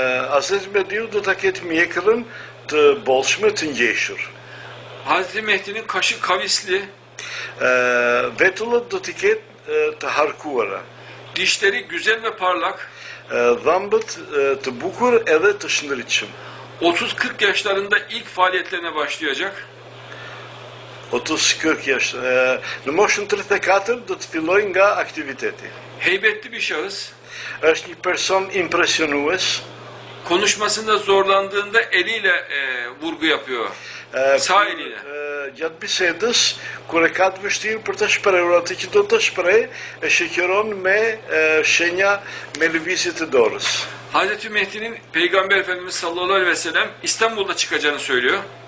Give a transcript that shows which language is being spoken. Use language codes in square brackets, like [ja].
[sq] Hazreti Mehdi'yi do ta ketë mjekrën të bolshme të ngjeshur. [tr] Hazreti Mehdi'nin kaşı kavisli. [sq] Vetullet do t'i ketë të harkuara. [tr] Dişleri güzel ve parlak. [sq] Dhambët të bukur edhe të shëndritshëm. [tr] 30-40 yaşlarında ilk faaliyetlerine başlayacak. 30-40 yaş. [sq] Në moshën 34 do të filloj nga aktiviteti. [tr] Heybetli bir şahıs. [sq] Është një person impresionues. [tr] Konuşmasında zorlandığında eliyle vurgu yapıyor. Sağ eliyle. [sq] Gjatë bisedës, kure ka të vështirë për të shprehur atë që do të shprehë, e shëkiron me shenja me lëvizje të dorës. [tr] Hazreti Mehdi'nin Peygamber Efendimiz sallallahu aleyhi ve sellem İstanbul'da çıkacağını söylüyor.